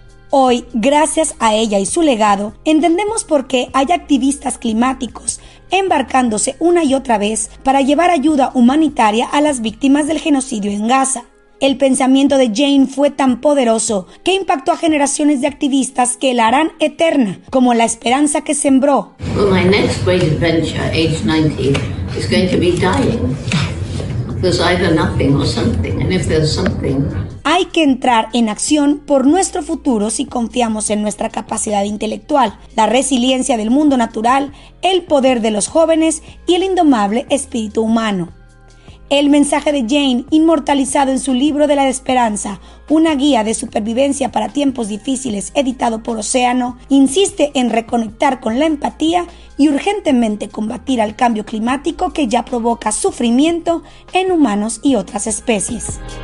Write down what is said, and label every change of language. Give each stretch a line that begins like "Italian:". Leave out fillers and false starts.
Spanish: Hoy, gracias a ella y su legado, entendemos por qué hay activistas climáticos embarcándose una y otra vez para llevar ayuda humanitaria a las víctimas del genocidio en Gaza. El pensamiento de Jane fue tan poderoso que impactó a generaciones de activistas que la harán eterna, como la esperanza que sembró.
English: Well, my next great adventure, age 90, is going to be dying. There's either nothing or something, and if there's something.
Spanish: Hay que entrar en acción por nuestro futuro si confiamos en nuestra capacidad intelectual, la resiliencia del mundo natural, el poder de los jóvenes y el indomable espíritu humano. El mensaje de Jane, inmortalizado en su libro de la esperanza, una guía de supervivencia para tiempos difíciles, editado por Océano, insiste en reconectar con la empatía y urgentemente combatir al cambio climático que ya provoca sufrimiento en humanos y otras especies.